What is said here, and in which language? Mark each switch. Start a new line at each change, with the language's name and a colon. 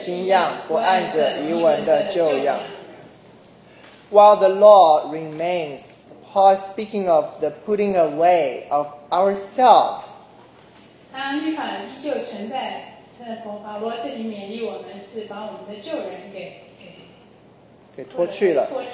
Chinese: 但我们既然在捆我们的律法上死了，现今就脱离了律法，叫我们服侍主，要按着圣灵的新样，不按着遗文的旧样。
English: While the law remains, Paul is speaking of the putting away of ourselves.
Chinese: 当律法依旧存在，保罗这里勉励我们是把我们的旧人给脱去了。